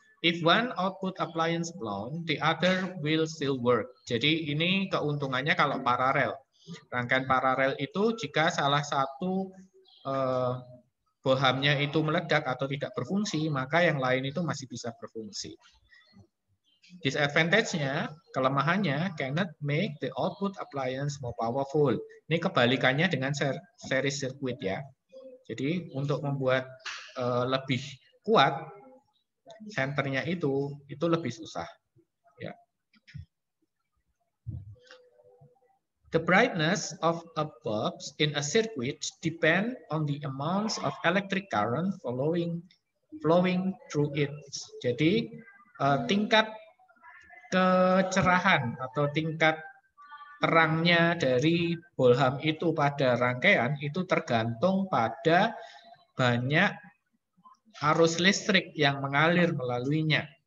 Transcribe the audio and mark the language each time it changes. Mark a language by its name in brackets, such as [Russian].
[English] If one output appliance blown, the other will still work. [Indonesian] Jadi ini keuntungannya kalau paralel. Rangkaian paralel itu jika salah satu bohamnya itu meledak atau tidak berfungsi, maka yang lain itu masih bisa berfungsi. [English] Disadvantage-nya, kelemahannya, cannot make the output appliance more powerful. [Indonesian] Ini kebalikannya dengan series circuit ya. Jadi untuk membuat lebih kuat senternya itu lebih susah. Ya. [English] The brightness of a bulb in a circuit depends on the amounts of electric current flowing through it. [Indonesian] Jadi tingkat kecerahan atau tingkat terangnya dari bohlam itu pada rangkaian itu tergantung pada banyak arus listrik yang mengalir melaluinya.